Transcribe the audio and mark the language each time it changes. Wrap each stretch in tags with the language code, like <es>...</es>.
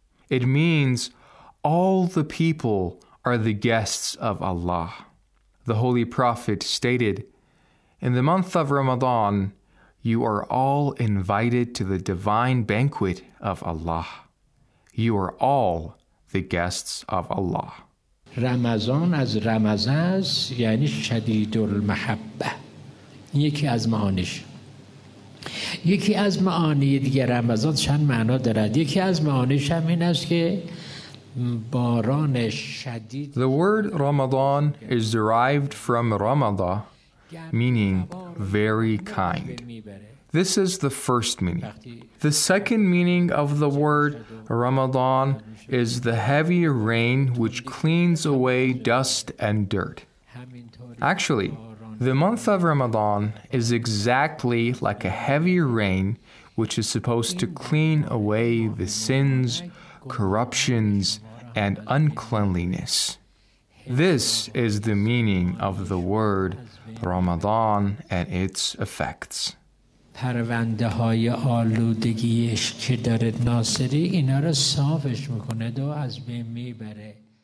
<en>It means all the people are the guests of Allah. The Holy Prophet stated, "In the month of Ramadan, you are all invited to the divine banquet of Allah. You are all the guests of Allah."</en> <fa>رمضان از رمضان یعنی شدید المحبه یکی از معانیش یکی از معانی دیگر رمضان چند معنا دارد. یکی از معانیش هم این است که باران شدید.</fa> <en>The word Ramadan is derived from Ramada, meaning very kind. This is the first meaning. The second meaning of the word Ramadan is the heavy rain which cleans away dust and dirt. Actually, the month of Ramadan is exactly like a heavy rain which is supposed to clean away the sins, corruptions, and uncleanliness. This is the meaning of the word Ramadan and its effects.</en> <fa>پرونده‌های آلودگیش که داره ناصری اینا رو صافش میکنه و از بین میبره.</fa>